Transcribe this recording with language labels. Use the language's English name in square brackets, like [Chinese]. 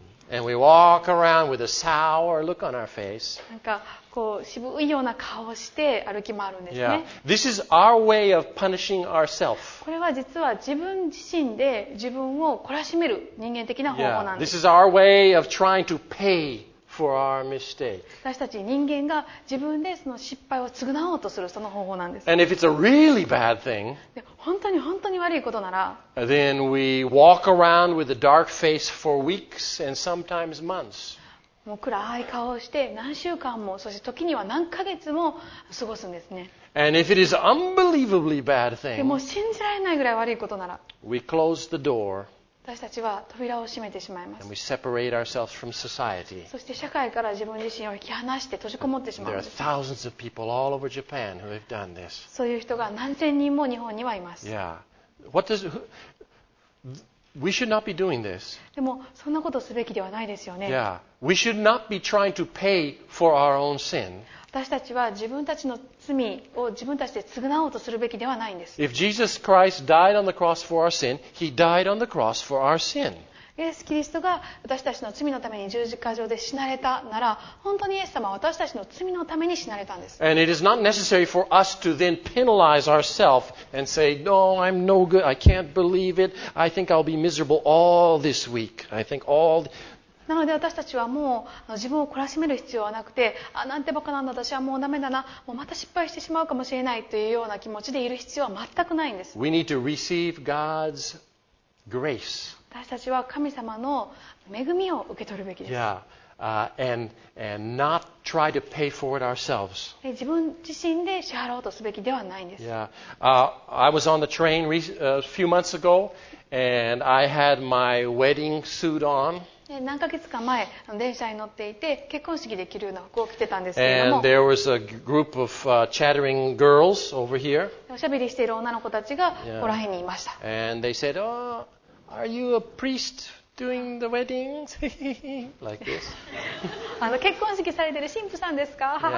[English] And we walk around with a sour look on our face. [Japanese] なんかこう渋いような顔をして歩き回るんですね。 [English] Yeah. This is our way of punishing ourselves. [Japanese] これは実は自分自身で自分を懲らしめる人間的な方法なんです。 [English] Yeah. This is our way of trying to pay for our mistake. [Japanese] 私たち人間が自分でその失敗を償おうとするその方法なんです。 [English] And if it's a really bad thing, [Japanese] 本当に本当に悪いことなら、 [English] then we walk around with a dark face for weeks and sometimes months. [Japanese] もう暗い顔をして何週間も、そして時には何ヶ月も過ごすんですね。 [English] And if it is unbelievably bad thing, [Japanese] でも信じられないぐらい悪いことなら、 [English] we close the door. [Japanese] 私たちは扉を閉めてしまいます。 [English] And we separate ourselves from society. [Japanese] そして社会から自分自身を引き離して閉じこもってしまうんです。 [English] There are thousands of people all over Japan who have done this. [Japanese] そういう人が何千人も日本にはいます。 [English] Yeah. What does we should not be doing this. [Japanese] でもそんなことすべきではないですよね。 [English] Yeah. We should not be trying to pay for our own sin. [Japanese] 私たちは自分たちの罪を自分たちで償おうとするべきではないんです。 [English] If Jesus Christ died on the cross for our sin, He died on the cross for our sin. [Japanese] イエス・キリストが私たちの罪のために十字架上で死なれたなら、本当にイエス様は私たちの罪のために死なれたんです。 [English] And it is not necessary for us to then penalize ourselves and say, No, I'm no good. I can't believe it. I think I'll be miserable all this week. I think all... [Japanese] なので私たちはもう自分を懲らしめる必要はなくて、あ、なんてバカなんだ、私はもうダメだな、もうまた失敗してしまうかもしれないというような気持ちでいる必要は全くないんです。 [English] We need to receive God's grace. [Japanese] 私たちは神様の恵みを受け取るべきです。 [English] Yeah. And not try to pay for it ourselves. [Japanese] 自分自身で支払おうとすべきではないんです。 [English] Yeah. I was on the train a few months ago, and I had my wedding suit on. [Japanese] 何ヶ月か前、電車に乗っていて、結婚式で着るような服を着てたんですけれども、 [English] And there was a group of chattering girls over here. [Japanese] おしゃべりしている女の子たちがここら辺にいました。 [English] Yeah. And they said, Oh, are you a priest doing the weddings? like this. [Japanese] 結婚式されてる神父さんですか?